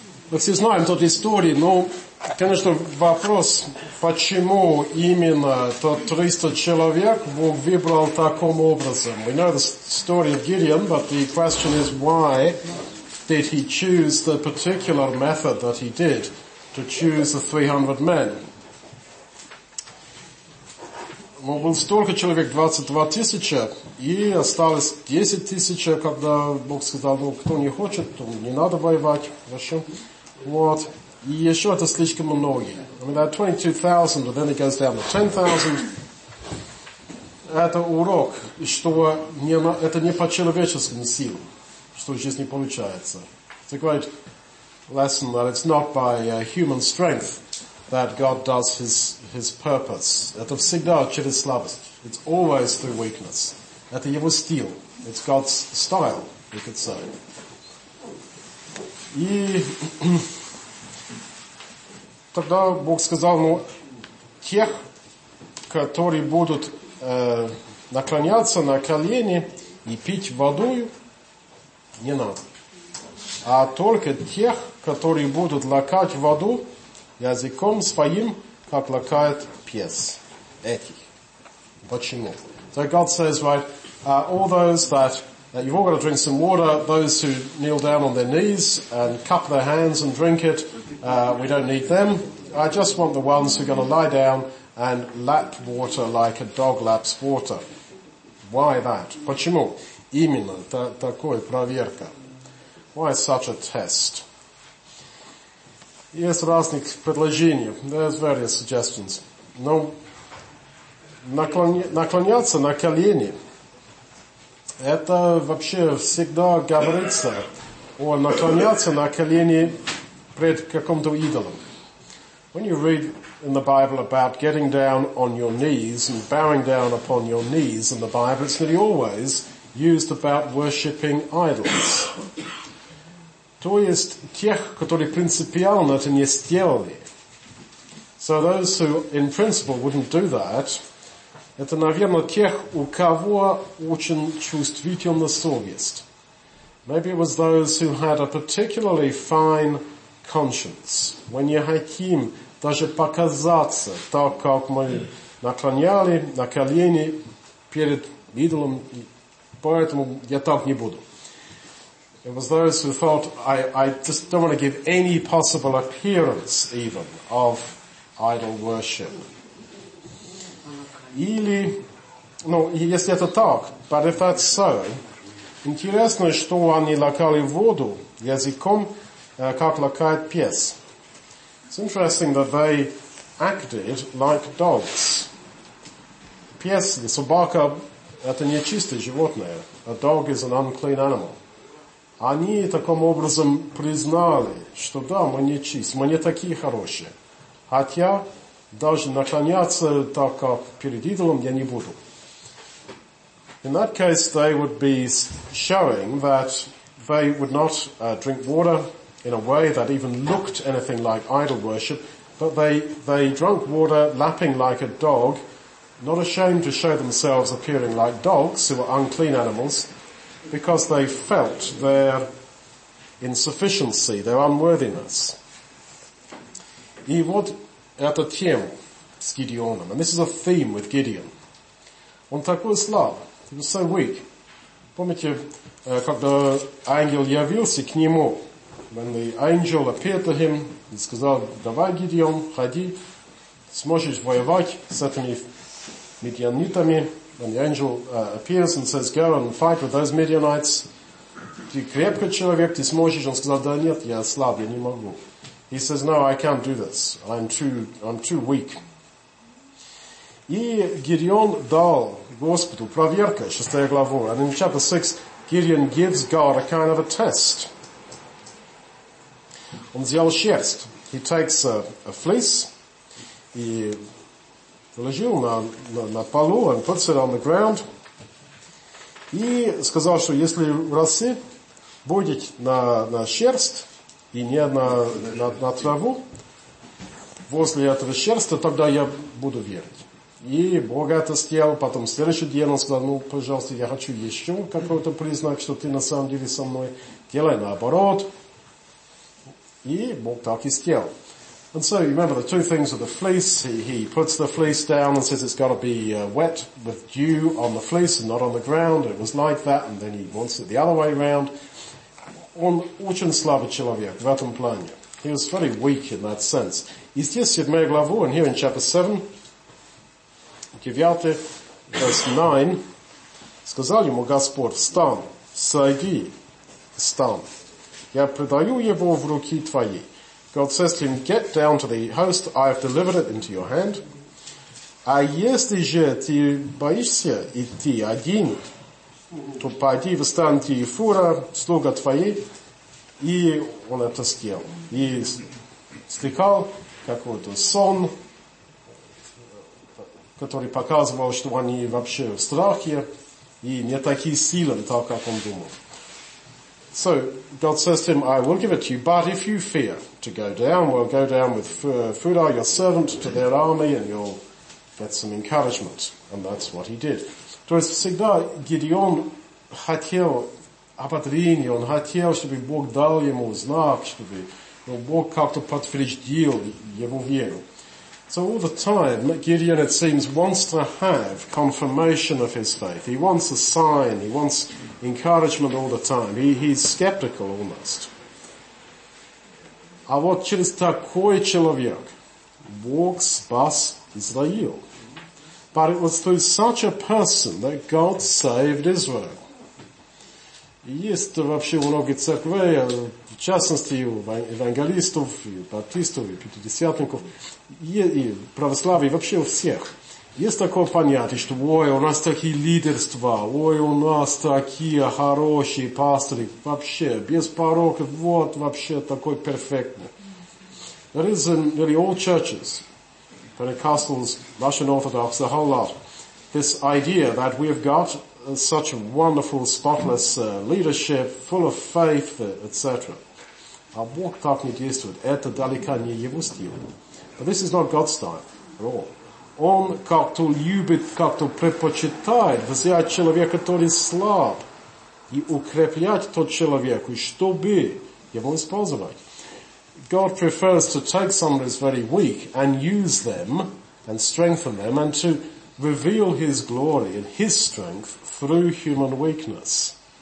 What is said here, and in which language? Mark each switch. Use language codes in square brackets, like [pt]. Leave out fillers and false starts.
[ru] Мы все знаем тот историю, но, конечно, вопрос, почему именно тот 300 человек Бог выбрал таким образом. [en] We know the story of Gideon, but the question is, why did he choose the particular method that he did to choose the 300 men? [ru] Но было столько человек, 22 тысячи, и осталось 10 тысяч, когда Бог сказал, ну, кто не хочет, то не надо воевать, хорошо? Вот. И еще это слишком многие. [en] I mean, there are 22,000, but then it goes down to 10,000. [ru] Это урок, что не, это не по человеческим силам, что здесь не получается. [en] It's a great lesson that it's not by human strength that God does his purpose. [ru] Это всегда через слабость. [en] It's always through weakness. [ru] Это его стиль. [en] It's God's style, we could say. [ru] И тогда Бог сказал, ну, тех, которые будут наклоняться на колени и пить водою, не надо. А только тех, которые будут лакать воду языком своим, как лакает пес. Этих. Почему? [en] So God says, right, all those that, you've all got to drink some water, those who kneel down on their knees and cup their hands and drink it, we don't need them. I just want the ones who are going to lie down and lap water like a dog laps water. Why that? [ru] Почему? Именно. Такое проверка. [en] Why such a test? [ru] Есть разные предложения. [en] There's various suggestions. [ru] Но наклоняться на колени, это вообще всегда говорится о наклоняться на колени пред каком-то идолом. [en] When you read in the Bible about getting down on your knees and bowing down upon your knees in the Bible, it's nearly always used about worshipping idols. [ru] То есть тех, которые принципиально это не сделали. [en] So those who in principle wouldn't do that, [ru] это, наверное, тех, у кого очень чувствительна совесть. [en] Maybe it was those who had a particularly fine conscience. When you [ru] хотим даже показаться, так как мы наклоняли на колени перед идолом, поэтому я так не буду. [en] It was those who thought, I just don't want to give any possible appearance even of idol worship. [ru] Или, ну, если это так, [en] but if that's so, [ru] интересно, что они лакали воду языком, как лакает пес. [en] It's interesting that they acted like dogs. [ru] Пес, собака, это нечистое животное. [en] A dog is an unclean animal. [ru] Они таким образом признали, что да, мы не чисты, мы не такие хорошие. Хотя даже наклоняться так, как перед идолом, я не буду. [en] In that case, they would be showing that they would not drink water in a way that even looked anything like idol worship, but they drank water lapping like a dog, not ashamed to show themselves appearing like dogs, who were unclean animals, because they felt their insufficiency, their unworthiness. [ru] И вот эта тема с Гидеоном. [en] And this is a theme with Gideon. [ru] Он такой слаб. [en] He was so weak. [ru] Помните, когда ангел явился к нему? [en] When the angel appeared to him, he [ru] сказал, давай, Гидеон, ходи, сможешь воевать с этими медианитами. [en] And the angel appears and says, go and fight with those Midianites. [ru] Ты крепкий человек, ты сможешь. Он сказал, да нет, я слаб, я не могу. [en] He says, no, I can't do this. I'm too weak. [ru] И Гидеон дал Господу проверка, 6 глава. [en] And in chapter 6, Gideon gives God a kind of a test. [ru] Он взял шерсть. [en] He takes a fleece [ru] и положил на полу [en] and puts it on the ground. [ru] И сказал, что если росы будет на шерсть и не на траву возле этого шерста, тогда я буду верить. И Бога это сделал. Потом следующий день он сказал, ну, пожалуйста, я хочу еще какой-то признак, что ты на самом деле со мной. Делай наоборот. И Бог так и сделал. [en] And so, you remember the two things with the fleece. He puts the fleece down and says it's got to be wet with dew on the fleece and not on the ground. It was like that. And then he wants it the other way around. [ru] Он очень слабый человек в этом плане. [en] He was very weak in that sense. [ru] И здесь 7 главу, [en] and here in chapter 7, 9, verse 9, [ru] сказал ему Господь, встань, сойди, встань. Я предаю его в руки твои. [en] God says to him, get down to the host, I have delivered it into your hand. [ru] А если же ты боишься идти один, то пойди в стан Тифура, слуга твои, и он это сделал. И стекал какой-то сон, который показывал, что они вообще в страхе, и не такие силен, так как он думал. [en] So, God says to him, I will give it to you, but if you fear to go down, well, go down with Fudah, your servant, to their army, and you'll get some encouragement. And that's what he did. [ru] То есть всегда Гедеон хотел ободрение, он хотел, чтобы Бог дал ему знак, чтобы Бог как-то подтвердил его веру. [en] So all the time, Gideon, it seems, wants to have confirmation of his faith. He wants a sign. He wants encouragement all the time. He's skeptical almost. [ru] А вот через такой человек Бог спас Израил. [en] But it was through such a person that God saved Israel. [ru] Есть вообще у многих церквей, в частности у евангелистов, и баптистов, и пятидесятников, и православий, вообще у всех. Есть такое понятие, что ой, у нас такие лидерства, ой, у нас такие хорошие пастыри, вообще, без пороков, вот вообще такой перфектный. [en] That is in nearly all churches, Pentecostals, Russian Orthodox, a whole lot, this idea that we have got such a wonderful, spotless leadership, full of faith, etc. [ru] А Бог так не действует. Это далеко не его стиль. [en] But this is not God's style at all. [ru] Он как-то любит, как-то предпочитает взять человека, который слаб, и укреплять тот человеку, чтобы его использовать. [en] God prefers to take someone who's very weak and use them and strengthen them and to reveal his glory and his strength through human weakness.